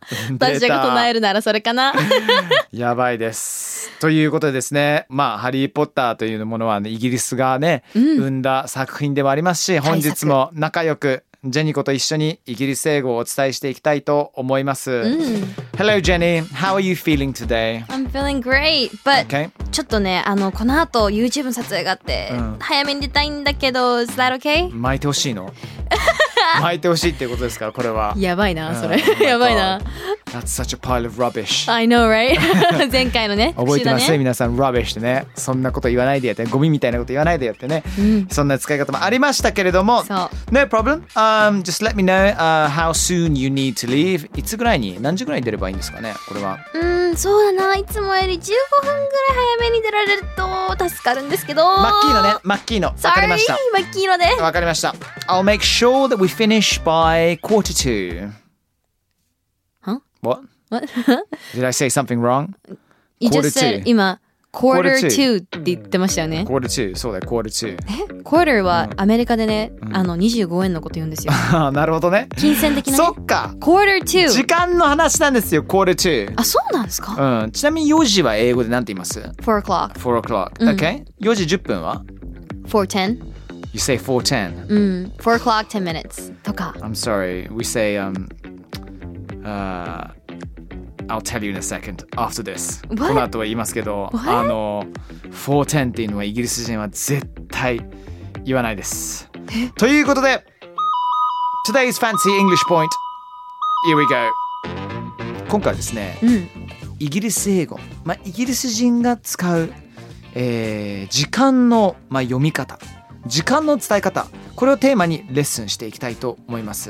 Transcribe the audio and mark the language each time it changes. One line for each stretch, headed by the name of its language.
Japanese: 出た。私が唱えるならそれかな。やばいです。ということでですね、まあ、ハリーポッターというものは、ね、イギリスがね、うん、生んだ作品ではありますし、本日も仲良くジェニコと一緒にイギリス英語をお伝えしていきたいと思います、うん、
English: Hello Jenny, how are you feeling today? I'm feeling great, but、 okay.
Japanese: ちょっとね、この後 YouTube 撮影があって、うん、早めに出たいんだけど、
English: Is that okay?
Japanese: 巻いてほしいの？巻いてほしいってことですか、これは。やばいな、それ、うん、やばいな。
English: That's such a pile of rubbish. I know, right?
Japanese: 前回のね、覚えてますね、皆さん、rubbish ってね、そんなこと言わないでやって、ゴミみたいなこと言わないでやってね、うん、そんな使い方もありましたけれども、
English: No problem. Just let me know、how soon you need to leave.
Japanese: いつぐらいに、何時ぐらいに出ればいいんですかね、これは。そうだな、いつもより15分ぐらい早めに出られると助かるんですけど。マッキーのね、マッキーの。わかりました。
English: Sorry,
Japanese: マッキーので。わかりました。
English: I'll make sure that we finish by quarter two. What? What? Did I say something wrong? You quarter just said, two.
Japanese: 今
English: quarter two
Japanese: って言ってましたよね。
English: Quarter two,
Japanese: そうだよ、
English: quarter two。
Japanese: Quarter はアメリカでね、25円のこと言うんですよ。なるほどね。金銭的な、ね。そっか。
English: Quarter two。
Japanese: 時間の話なんですよ、
English: quarter two。
Japanese: あ、そうなんですか。うん。ちなみに4時は英語でなんて言います
English: ？Four o'clock。 Four o'clock。 Okay、
Japanese: うん。4時10分は
English: ？Four ten。 You say four ten。うん。Four o'clock ten minutes とか。 I'm sorry. We say I'll tell you in a second after this、 What?
Japanese: この後は言いますけど、
English: What?
Japanese: 410っていうのはイギリス人は絶対言わないですということで
English: Today's Fancy English Point Here we go
Japanese: 今回はですね、うん、イギリス英語、まあ、イギリス人が使う、時間の、まあ、読み方時間の伝え方これをテーマにレッスンしていきたいと思います、